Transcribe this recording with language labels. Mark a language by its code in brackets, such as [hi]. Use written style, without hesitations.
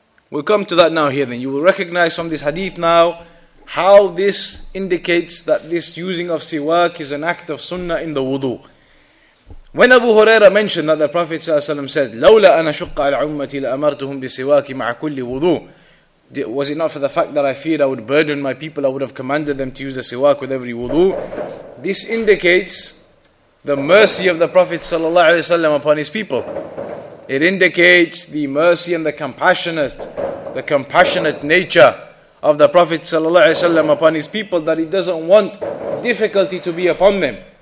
[en] We'll come to that now here then. You will recognize from this hadith now how this indicates that this using of siwak is an act of sunnah in the wudu. When Abu Huraira mentioned that the Prophet ﷺ said, [ar] لَوْلَا أَنَا شُقَّ عَلَى أُمَّتِي لَأَمَرْتُهُمْ بِسِوَاكِ مَعَ كُلِّ وُضُوء. [en] Was it not for the fact that I feared I would burden my people, I would have commanded them to use the siwak with every wudu? This indicates the mercy of the Prophet ﷺ upon his people. It indicates the mercy and the compassionate nature of the Prophet ﷺ upon his people, that he doesn't want difficulty to be upon them.